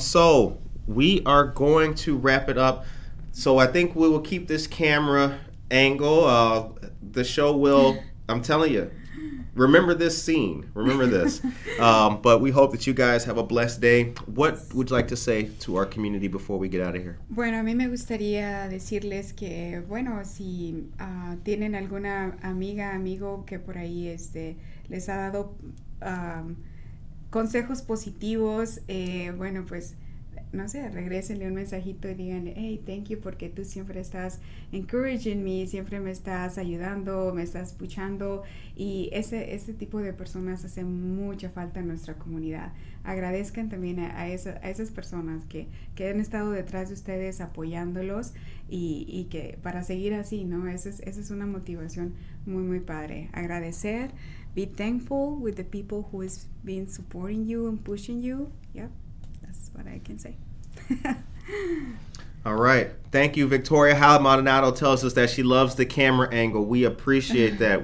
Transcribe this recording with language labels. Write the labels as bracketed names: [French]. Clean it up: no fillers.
[English] So we are going to wrap it up. So I think we will keep this camera angle. The show will. I'm telling you. Remember this scene. Remember this. But we hope that you guys have a blessed day. What would you like to say to our community before we get out of here? [Spanish] Bueno, a mí me gustaría decirles que, bueno, si tienen alguna amiga, amigo que por ahí les ha dado consejos positivos, bueno, pues, no sé, regrésenle un mensajito y díganle, [English] hey, thank you, [Spanish] porque tú siempre estás [English] encouraging me, [Spanish] siempre me estás ayudando, me estás escuchando. Y ese tipo de personas hace mucha falta en nuestra comunidad. Agradezcan también a esas personas que han estado detrás de ustedes apoyándolos y que para seguir así, ¿no? Esa es una motivación muy, muy padre. [English] Agradecer, be thankful with the people who has been supporting you and pushing you. Yep. What I can say. All right. Thank you, Victoria. Hal Maldonado tells us that she loves the camera angle. We appreciate that.